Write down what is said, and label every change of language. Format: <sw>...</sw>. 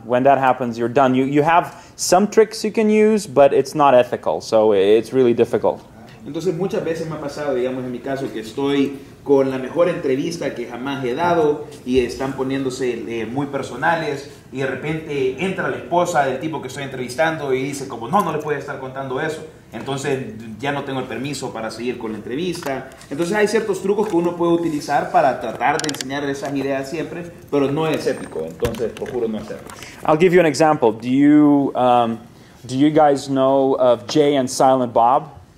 <en>When that happens, you're done. You have some tricks you can use, but it's not ethical, so it's really difficult.</en> <es>Entonces muchas veces me ha pasado, digamos en mi caso, que estoy con la mejor entrevista que jamás he dado y están poniéndose muy personales y de repente entra la esposa del tipo que estoy entrevistando y dice como no le puede estar contando eso, entonces ya no tengo el permiso para seguir con la entrevista. Entonces hay ciertos trucos que uno puede utilizar para tratar de enseñar esas ideas siempre, pero no es ético, entonces procuro no hacerlo.</es> <en>I'll give you an example. Do you guys know of Jay and Silent Bob?</en>